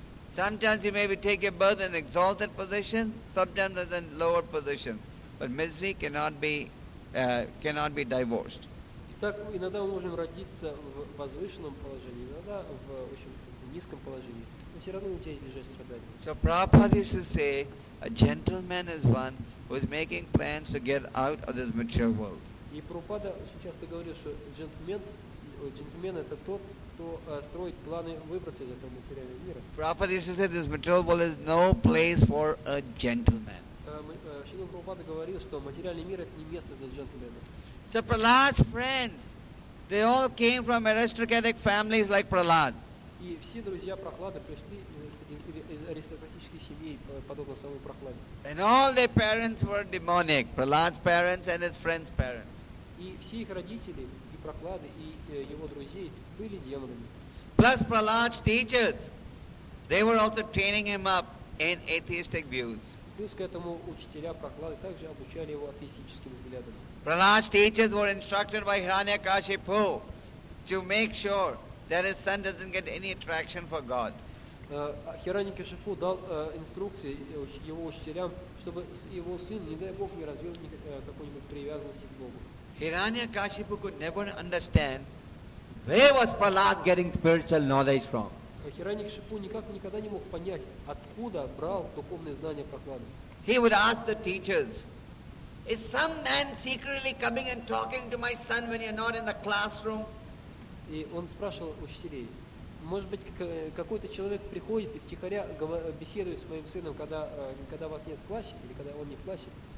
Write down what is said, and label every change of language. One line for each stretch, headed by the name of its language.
English: Sometimes you maybe take your birth in an exalted position, sometimes in a lower position, but misery cannot be divorced.
Russian: Итак, иногда мы можем родиться в возвышенном положении, иногда в низком положении, но все равно у тебя есть жесть страданий.
English: So Prabhupada used to say, a gentleman is one who is making plans to get out of this material world.
Russian: И Прабхупада очень часто говорил, что джентльмен это тот, кто строит планы выбраться из этого материального мира.
English: Prabhupada used to say, this material world is no place for a gentleman.
Russian: Шрила Прабхупада говорил, что материальный мир это не место для джентльмена.
English: So Prahlad's friends, they all came from aristocratic families like Prahlad.
Russian: И все друзья Прохлады пришли из аристократической семьи, подобно самому Прохладе.
English: And all their parents were demonic, Prahlad's parents and his friends' parents.
Russian: И все их родители, и Прохлады, и его друзей были демонами.
English: Plus Prahlad's teachers, they were also training him up in atheistic views.
Russian: Плюс к этому учителя Прохлады также обучали его атеистическим взглядам.
English: Prahlad's teachers were instructed by Hiranyakashipu to make sure that his son doesn't get any attraction for God.
Russian: Hiranyakashipu дал инструкции его учителям, чтобы его сын, не дай Бог, не развил какой-нибудь привязанности к Богу.
English: Hiranyakashipu could never understand where was Prahlad getting spiritual knowledge from.
Russian: Hiranyakashipu никогда не мог понять, откуда брал духовные знания Прохлады.
English: He would ask the teachers, is some man secretly coming and talking to my son when you're not in the classroom?
Russian: И он спрашивал учителей, может быть, какой-то человек приходит и втихаря беседует с моим сыном, когда вас нет в классе, или когда он не в классе.